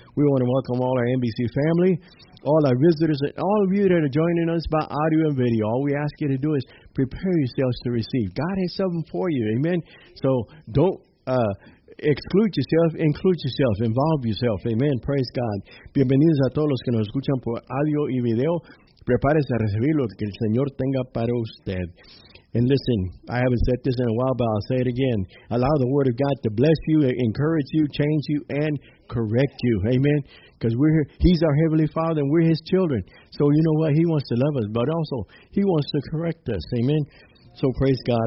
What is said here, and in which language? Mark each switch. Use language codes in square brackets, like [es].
[en] We want to welcome all our NBC family, all our visitors, and all of you that are joining us by audio and video. All we ask you to do is prepare yourselves to receive. God has something for you. Amen. So don't exclude yourself. Include yourself. Involve yourself. Amen. Praise God. [es] Bienvenidos a todos los que nos escuchan por audio y video. Prepárese a recibir lo que el Señor tenga para usted. [en] And listen, I haven't said this in a while, but I'll say it again. Allow the Word of God to bless you, encourage you, change you, and correct you. Amen. Because He's our Heavenly Father, and we're His children. So you know what? He wants to love us, but also He wants to correct us. Amen. So praise God.